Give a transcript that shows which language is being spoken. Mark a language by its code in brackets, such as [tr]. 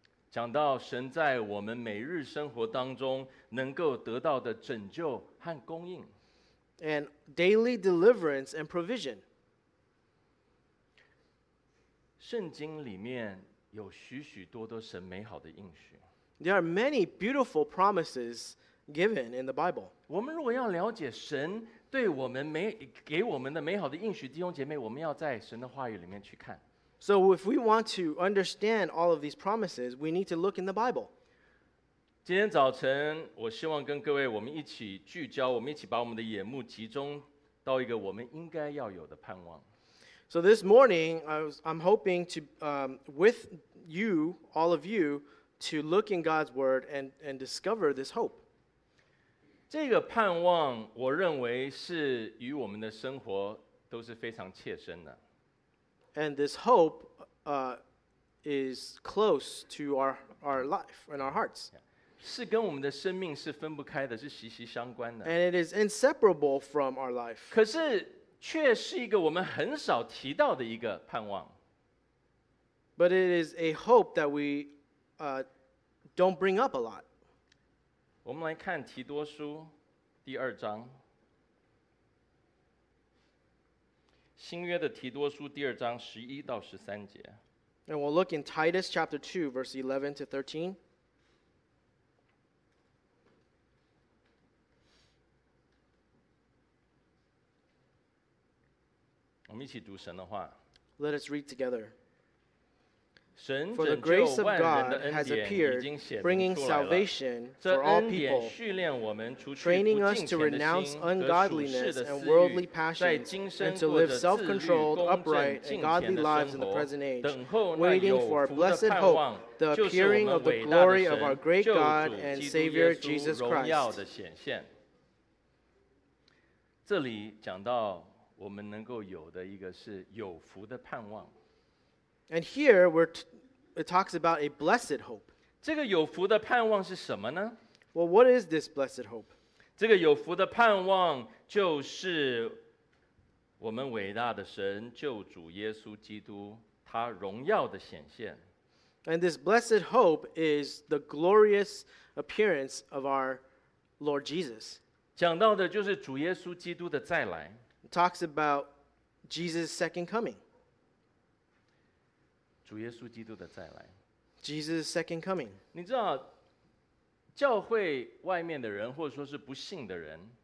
[zh] 讲到神在我们每日生活当中能够得到的拯救和供应。 [en] And daily deliverance and provision. [zh] 圣经里面有许许多多神美好的应许。 [en] There are many beautiful promises given in the Bible. [zh] 我们如果要了解神对我们给我们的美好的应许，弟兄姐妹，我们要在神的话语里面去看。 [en] So if we want to understand all of these promises, we need to look in the Bible. [zh] 今天早晨，我希望跟各位，我们一起聚焦，我们一起把我们的眼目集中到一个我们应该要有的盼望。 [en] So this morning, I'm hoping to, with you, all of you, to look in God's Word and discover this hope. [zh] 这个盼望，我认为是与我们的生活都是非常切身的。 [en] And this hope is close to our life and our hearts. [zh] 是跟我们的生命是分不开的，是息息相关的。 [en] And it is inseparable from our life. [zh] 可是却是一个我们很少提到的一个盼望。 [en] But it is a hope that we don't bring up a lot. [zh] 我们来看提多书第二章。新约的提多书第二章十一到十三节。 [en] And we'll look in Titus chapter 2, verse 11 to 13. [zh] 我们一起读神的话。 [en] Let us read together. For the grace of God has appeared, bringing salvation for all people, training us to renounce ungodliness and worldly passions, and to live self-controlled, upright, and godly lives in the present age, waiting for our blessed hope, the appearing of the glory of our great God and Savior Jesus Christ. [zh] 这里讲到我们能够有的一个是有福的盼望。 [en] And here it talks about a blessed hope. [zh] 这个有福的盼望是什么呢? [en] Well, what is this blessed hope? [zh] 这个有福的盼望就是我们伟大的神救主耶稣基督他荣耀的显现。 [en] And this blessed hope is the glorious appearance of our Lord Jesus. [zh] 讲到的就是主耶稣基督的再来。 [en] It talks about Jesus' second coming. [zh] 主耶稣基督的再来 [en] Jesus' second coming. [zh] 你知道教会外面的人或者说是不信的人